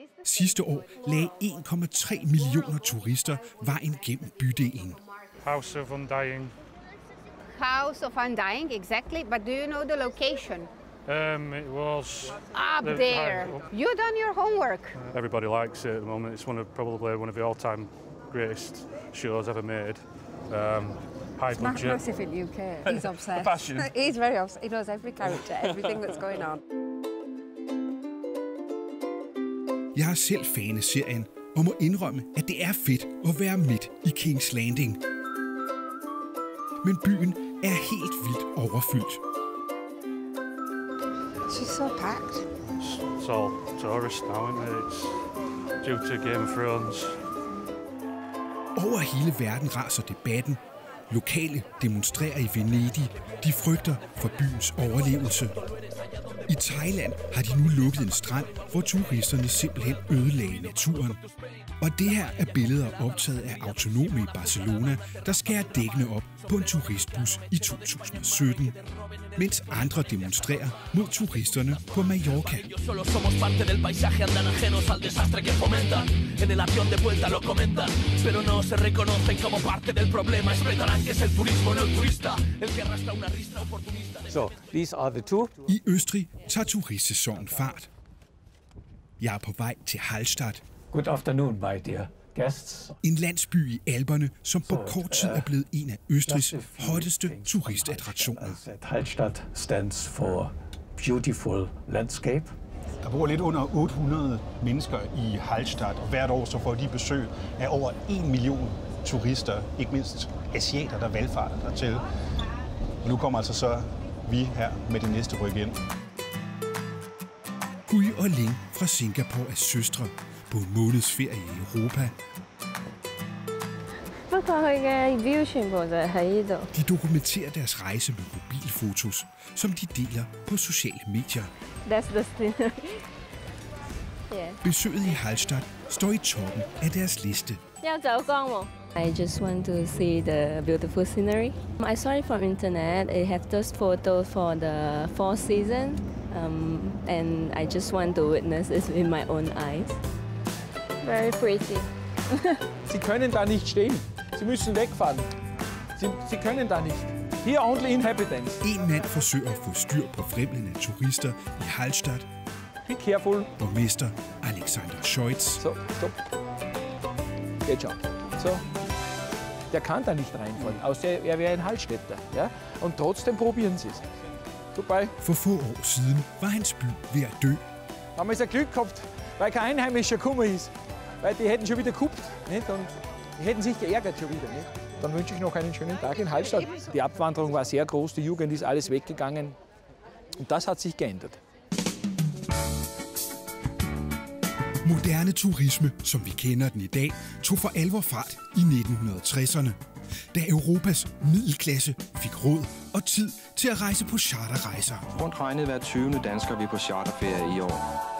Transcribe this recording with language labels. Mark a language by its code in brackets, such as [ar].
[da] Sidste år lagde 1,3 millioner turister vejen gennem bydelen. [en] House of Undying. House of Undying, exactly. But do you know the location? It was up there. You've done your homework. Everybody likes it at the moment. It's probably one of the all-time greatest shows ever made. It's massive in UK. He's obsessed. Passion. He's very obsessed. He knows every character, everything that's going on. [da] Jeg er selv fan af serien og må indrømme, at det er fedt at være midt i King's Landing. Men byen er helt vildt overfyldt. [en] She's so packed. It's all tourists now, isn't it? It's due to Game of Thrones. [da] Over hele verden raser debatten. Lokale demonstrerer i Venedig. De frygter for byens overlevelse. I Thailand har de nu lukket en strand, hvor turisterne simpelthen ødelagde naturen. Og det her er billeder optaget af autonome i Barcelona, der skærer dækkene op på en turistbus i 2017. Mens andre demonstrerer mod turisterne på Mallorca. [en] So, these are the two. [da] I Østrig tager turistsæsonen fart. Jeg er på vej til Hallstatt. [en] Good afternoon, my dear guests. [da] En landsby i Alperne, som på kort tid er blevet en af Østrigs hotteste turistattraktioner. [en] Hallstatt stands for beautiful landscape. [da] Der bor lidt under 800 mennesker i Hallstatt, og hvert år så får de besøg af over 1 million turister, ikke mindst asiater, der valfarter dertil. Og nu kommer altså så vi her med det næste ryk ind. Gui og Ling fra Singapore er søstre. På en måneds ferie i Europa. De dokumenterer deres rejse med mobilfotos, som de deler på sociale medier. Besøget i Hallstatt står i toppen af deres liste. [en] I just want to see the beautiful scenery. I saw it from internet. It have those photos for the four season, and I just want to witness it in my own eyes. Very pretty. [de] Sie können da nicht stehen. Sie müssen wegfahren. Sie können da nicht. [en] Here only inhabitants. [da] En mand forsøger at få styr på fremlende turister i Hallstatt. [en] Be careful. [da] Borgmester Alexander Scheutz. [en] So, stop. Good job. So. [de] Der kann da nicht reinfahren, außer er wäre ein Hallstätter. Ja? Und trotzdem probieren sie es. [en] Goodbye. [da] For få år siden var hans by ved at dø. [de] Da haben wir so Glück gehabt, weil kein Einheimischer gekommen ist. Weil die hätten schon wieder gehupt. Und die hätten sich geärgert schon wieder. Nicht? Dann wünsche ich noch einen schönen Tag in Hallstatt. Die Abwanderung war sehr groß, die Jugend ist alles weggegangen. Und das hat sich geändert. [da] Moderne turisme, som vi kender den i dag, tog for alvor fart i 1960'erne, da Europas middelklasse fik råd og tid til at rejse på charterrejser. Rundt regnet hver 20. dansker vi på charterferie i år.